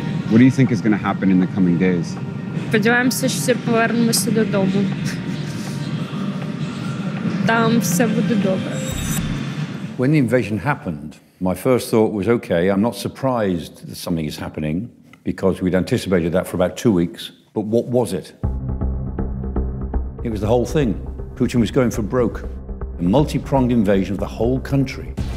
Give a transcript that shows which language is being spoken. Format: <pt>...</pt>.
<en>What do you think is going to happen in the coming days?</en> <uk>Сподіваємося, що повернемося додому. Там все буде добре.</uk> <en>When the invasion happened, my first thought was, okay, I'm not surprised that something is happening, because we'd anticipated that for about 2 weeks. But what was it? It was the whole thing. Putin was going for broke. A multi-pronged invasion of the whole country.</en>